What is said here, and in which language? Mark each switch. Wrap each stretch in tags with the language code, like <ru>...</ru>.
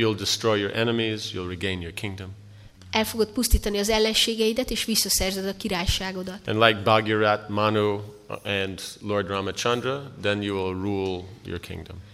<en>You'll destroy your enemies, you'll regain your kingdom.</en> <hu>El fogod pusztítani az ellenségeidet, és visszaszerzed a királyságodat.</hu> <en>And like Bhagirath, Manu, and Lord Ramachandra, then you will rule your kingdom.</en>